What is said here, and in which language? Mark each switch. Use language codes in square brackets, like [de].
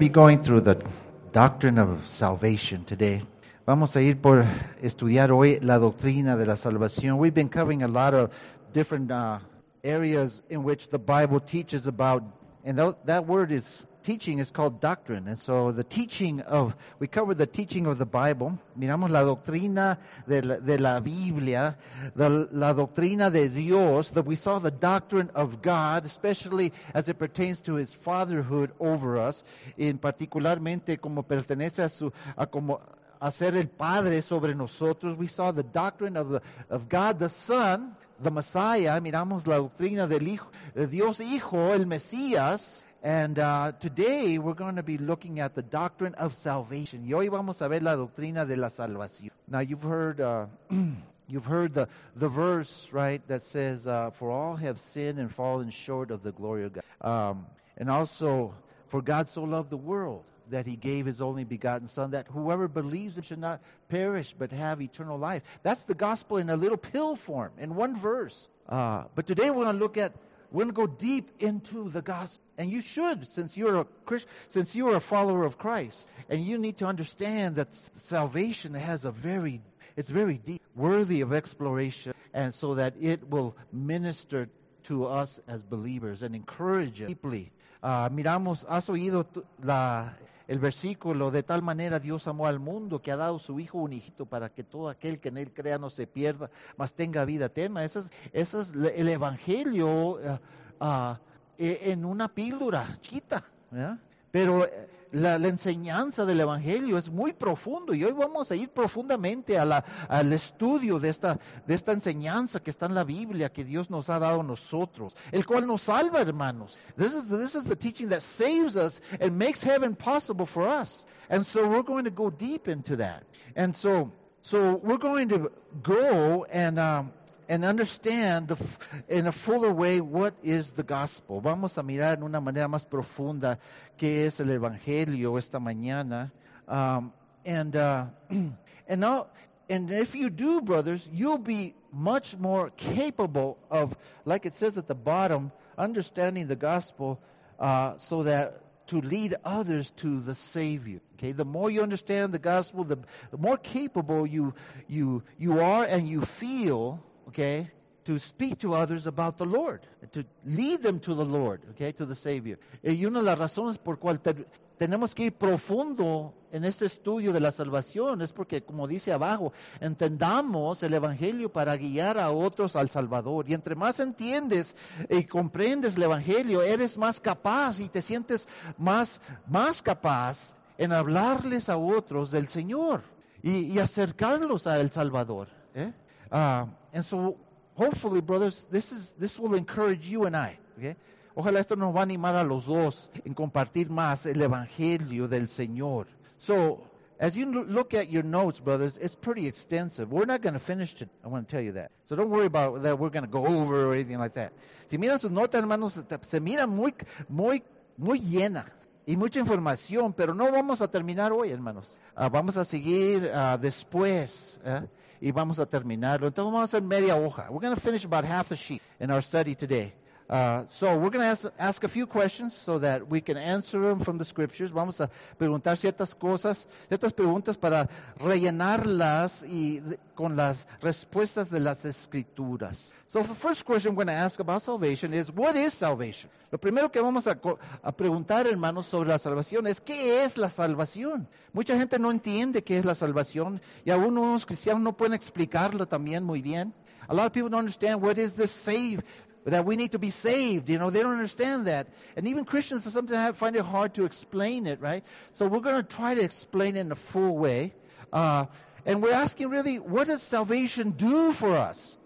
[en] be going through the doctrine of salvation today. [es] Vamos a ir por estudiar hoy la doctrina de la salvación. [en] We've been covering a lot of different areas in which the Bible teaches about, and that word is teaching is called doctrine. And so we cover the teaching of the Bible. [es] Miramos la doctrina de la Biblia, la doctrina de Dios, [en] that we saw the doctrine of God, especially as it pertains to his fatherhood over us, [es] en particularmente como pertenece a ser el Padre sobre nosotros. [en] We saw the doctrine of God the Son, the Messiah. [es] Miramos la doctrina del Hijo, de Dios Hijo, el Mesías. [en] And today we're going to be looking at the doctrine of salvation. [es] Y hoy vamos a ver la doctrina de la salvación. [en] Now you've heard the verse, right, that says, "For all have sinned and fallen short of the glory of God." And also, "For God so loved the world that he gave his only begotten Son, that whoever believes in him should not perish but have eternal life." That's the gospel in a little pill form, in one verse. But today we're going to look at, we're going to go deep into the gospel. And you should, since you're a Christian, since you're a follower of Christ, and you need to understand that salvation has it's very deep, worthy of exploration, and so that it will minister to us as believers and encourage us deeply. [es] Miramos, has oído el versículo, de tal manera Dios amó al mundo que ha dado su Hijo unigito para que todo aquel que en él crea no se pierda, mas tenga vida eterna. Ese es el Evangelio en una píldora chiquita, ¿verdad? Pero la enseñanza del Evangelio es muy profundo, y hoy vamos a ir profundamente al estudio de esta enseñanza que está en la Biblia, que Dios nos ha dado a nosotros, el cual nos salva, hermanos. [en] This is the teaching that saves us and makes heaven possible for us. And so we're going to go deep into that. And so we're going to go and understand in a fuller way what is the gospel. [es] Vamos a mirar en una manera más profunda qué es el evangelio esta mañana. [en] And if you do, brothers, you'll be much more capable of, like it says at the bottom, understanding the gospel so that to lead others to the Savior. Okay, the more you understand the gospel, the more capable you are and you feel, okay, to speak to others about the Lord, to lead them to the Lord, okay, to the Savior. [es] Y una de las razones por cual tenemos que ir profundo en este estudio de la salvación es porque, como dice abajo, entendamos el Evangelio para guiar a otros al Salvador. Y entre más entiendes y comprendes el Evangelio, eres más capaz y te sientes más capaz en hablarles a otros del Señor y acercarlos al Salvador, ¿eh? [en] And so, hopefully, brothers, this will encourage you and I. Okay? [es] Ojalá esto nos va a animar a los dos en compartir más el Evangelio del Señor. [en] So, as you look at your notes, brothers, it's pretty extensive. We're not going to finish it. I want to tell you that. So don't worry about that we're going to go over or anything like that. [es] Si miran sus notas, hermanos, se mira muy, muy, muy llena y mucha información, pero no vamos a terminar hoy, hermanos. Vamos a seguir después. Y vamos a terminarlo. Entonces vamos a hacer media hoja. [en] We're going to finish about half a sheet in our study today. So we're going to ask a few questions so that we can answer them from the scriptures. [es] Vamos a preguntar ciertas cosas, ciertas preguntas para rellenarlas y con las respuestas de las escrituras. [en] So the first question we're going to ask about salvation is, what is salvation? [es] Lo primero que vamos a preguntar, hermanos, sobre la salvación es, ¿qué es la salvación? Mucha gente no entiende qué es la salvación, y aún unos cristianos no pueden explicarlo también muy bien. [en] A lot of people don't understand what is the save, that we need to be saved. You know, they don't understand that. And even Christians sometimes find it hard to explain it, right? So we're going to try to explain it in a full way. And we're asking, really, what does salvation do for us?